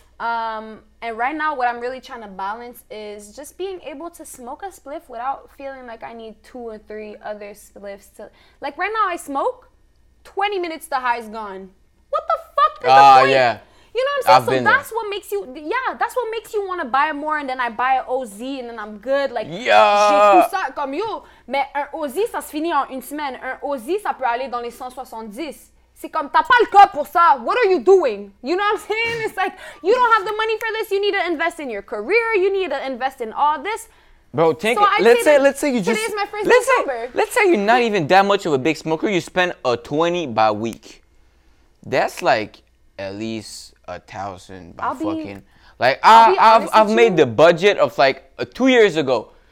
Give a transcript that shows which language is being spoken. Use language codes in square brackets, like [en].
[en] And right now what I'm really trying to balance is just being able to smoke a spliff without feeling like I need two or three other spliffs to, like, right now I smoke, 20 minutes the high is gone. What the fuck is the point? Yeah. You know what I'm saying? I've been there. that's what makes you want to buy more, and then I buy an OZ and then I'm good. Like, yeah. [fr] J'ai tout ça comme yo, mais un OZ ça se finit en une semaine. Un OZ ça peut aller dans les 170. C'est comme, t'as pas le cas pour ça. [en] What are you doing? You know what I'm saying? It's like, you don't have the money for this. You need to invest in your career. You need to invest in all this. Bro, let's say you just... Today is my first day sober. Let's say you're not even that much of a big smoker. You spend a 20 by week. That's like at least 1,000 by Like, I've made the budget of like 2 years ago.